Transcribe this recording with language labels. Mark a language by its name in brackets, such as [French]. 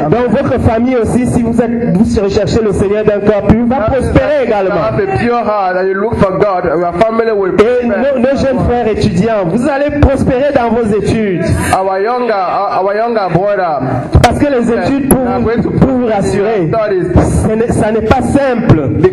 [French] Donc votre famille aussi, si vous recherchez le Seigneur d'un cœur pur, va prospérer également. [English] Have a pure heart and you look for God, your family will prosper. [French] Et nos jeunes frères étudiants, vous allez prospérer dans vos études. [English] Our younger brother. [French] Parce que les études, pour vous rassurer, ça n'est pas simple.